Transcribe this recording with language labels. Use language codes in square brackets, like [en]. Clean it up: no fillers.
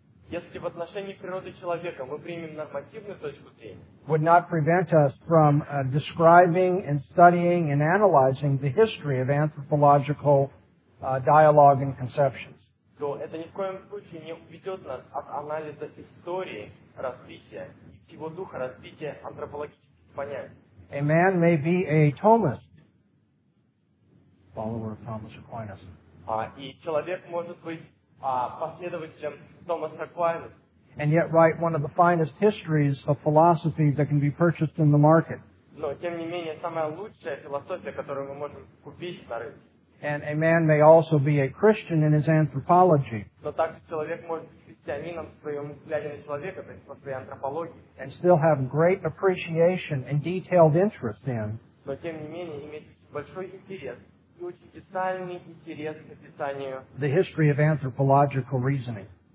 [ru] если в отношении природы человека мы примем нормативную точку зрения, [en] would not prevent us from describing and studying and analyzing the history of anthropological dialogue and conceptions. [ru] То это ни в коем случае не уведет нас от анализа истории развития и всего духа развития антропологических понятий. [en] A man may be a Thomist, follower of Thomas Aquinas. [ru] И человек может быть последователем Томаса Аквинаса. [en] And yet write one of the finest histories of philosophy that can be purchased in the market. [ru] Но тем не менее самая лучшая философия, которую мы можем купить на рынке. [en] And a man may also be a Christian in his anthropology. [ru] Но также человек может быть христианином в своем взгляде на человека, то есть по своей антропологии. [en] And still have great appreciation and detailed interest in. [ru] Но тем не менее иметь большой интерес и очень детальный интерес к описанию [en] the history of anthropological reasoning.